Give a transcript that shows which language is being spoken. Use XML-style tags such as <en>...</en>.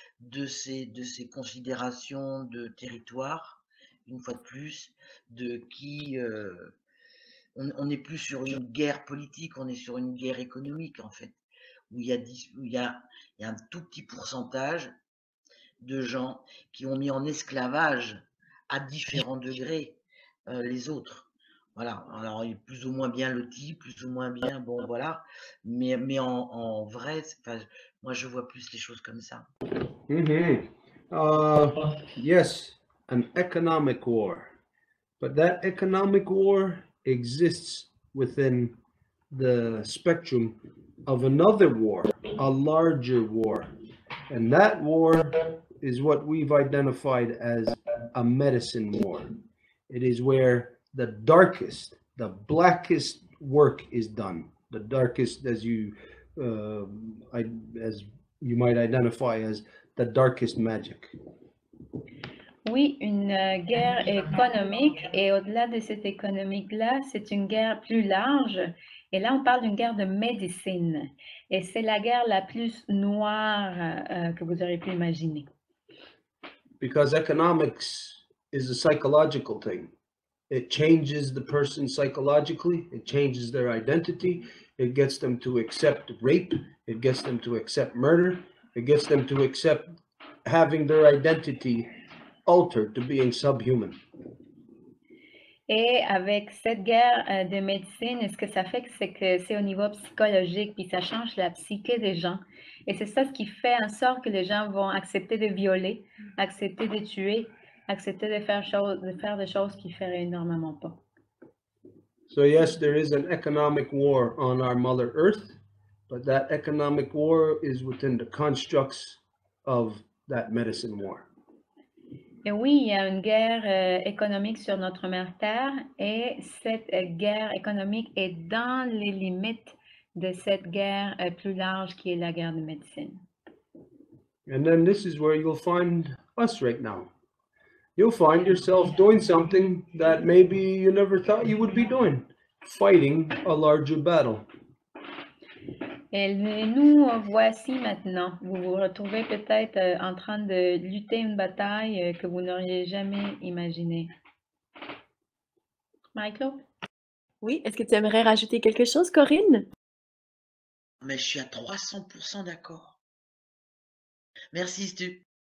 <fr>de ces considérations de territoire, une fois de plus, de qui on n'est plus sur une guerre politique, on est sur une guerre économique, en fait, où il y a un tout petit pourcentage de gens qui ont mis en esclavage à différents degrés les autres. Voilà, alors il est plus ou moins bien loti, plus ou moins bien, bon voilà, mais en vrai, enfin, moi je vois plus les choses comme ça. Mm-hmm.</fr> <en>Yes, an economic war, but that economic war exists within the spectrum of another war, a larger war, and that war is what we've identified as a medicine war. It is where the darkest, the blackest work is done. The darkest, as you might identify as the darkest magic.</en> <fr>Oui, une guerre économique, et au-delà de cette économie-là, c'est une guerre plus large. Et là, on parle d'une guerre de médecine. Et c'est la guerre la plus noire que vous aurez pu imaginer.</fr> <en>Because economics is a psychological thing. It changes the person psychologically, it changes their identity, it gets them to accept rape, it gets them to accept murder, it gets them to accept having their identity altered to being subhuman.</en> <fr>Et avec cette guerre de médecine, ce que ça fait, c'est que c'est au niveau psychologique, puis ça change la psyché des gens. Et c'est ça ce qui fait en sorte que les gens vont accepter de violer, accepter de tuer, accepter de faire des choses qu'ils ne feraient normalement pas.</fr> <en>So yes, there is an economic war on our Mother Earth, but that economic war is within the constructs of that medicine war.</en> <fr>Et oui, il y a une guerre économique sur notre mère Terre, et cette guerre économique est dans les limites de cette guerre plus large qui est la guerre de médecine.</fr> <en>And then this is where you'll find us right now. You'll find yourself doing something that maybe you never thought you would be doing, fighting a larger battle.</en> <fr>Et nous voici maintenant. Vous vous retrouvez peut-être en train de lutter une bataille que vous n'auriez jamais imaginée. Michael? Oui, est-ce que tu aimerais rajouter quelque chose, Corinne? Mais je suis à 300% d'accord. Merci, Stu.</fr>